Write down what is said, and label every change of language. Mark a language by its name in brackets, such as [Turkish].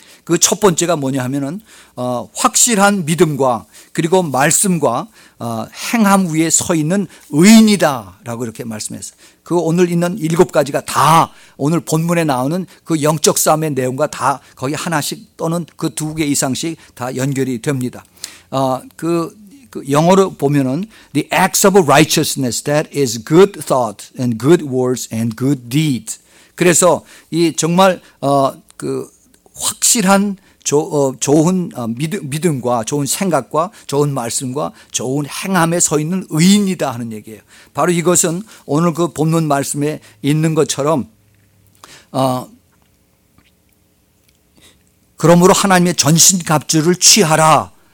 [Korean] 그 첫 번째가 뭐냐 하면은 확실한 믿음과 그리고 말씀과 행함 위에 서 있는 의인이다라고 이렇게 말씀했어요. 그 오늘 있는 일곱 가지가 다 오늘 본문에 나오는 그 영적 싸움의 내용과 다 거의 하나씩 또는 그 두 개 이상씩 다 연결이 됩니다. [English] 그 영어로 보면은 the acts of righteousness that is good thought and good words and good deeds. [Korean] 그래서 이 정말 그 확실한 좋은 믿음과 좋은 생각과 좋은 말씀과 좋은 행함에 서 있는 의인이다 하는 얘기예요. 바로 이것은 오늘 그 본문 말씀에 있는 것처럼 그러므로 하나님의 전신갑주를 취하라.